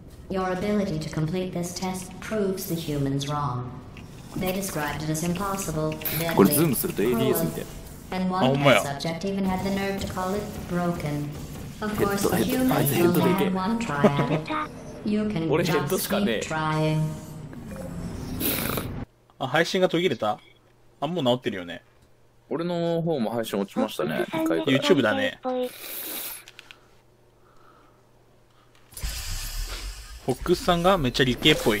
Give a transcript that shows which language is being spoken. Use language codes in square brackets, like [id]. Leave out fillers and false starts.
[en] Your ability to complete this test proves the humans wrong. They described it as impossible. [ja] これズームすると ADS みたいな。あ、ほんまや。 [en] Subject even had the nerve to call it broken. Of course, the humans will have one try at it. You can just keep trying. [ja] あ、配信が途切れた？あ、もう直ってるよね。俺の方も配信落ちましたね。 YouTube だね。フォックスさんがめっちゃ理系っぽい。